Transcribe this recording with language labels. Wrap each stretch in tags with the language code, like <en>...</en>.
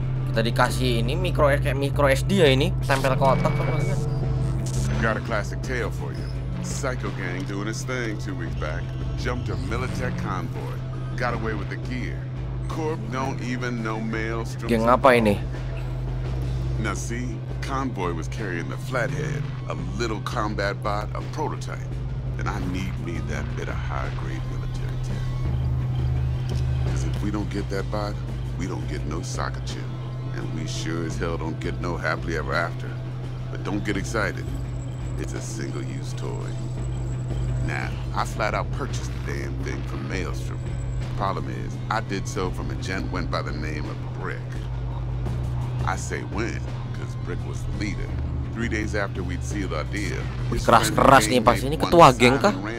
<id>Kita dikasih ini micro kayak micro SD ya ini, tempel ke otak kemarin.</id> <en>Got a classic tale for you. Psycho gang doing its thing 2 weeks back. Jumped a Militech convoy. Got away with the gear. Corp don't even know Maelstrom.</en> <id>Geng apa ini?</id> <en>Now see, convoy was carrying the flathead, a little combat bot, a prototype. And I need me that bit of high grade military tech. Because if we don't get that bot, we don't get no soccer chip. And we sure as hell don't get no happily ever after. But don't get excited. It's a single use toy. Now, I flat out purchased the damn thing from Maelstrom. Problem is, I did so from a gent went by the name of Brick. I say when, because Brick was the leader. 3 days after we'd sealed our deal,</en> <id>his keras-keras nih pas ini ketua geng kah?</id>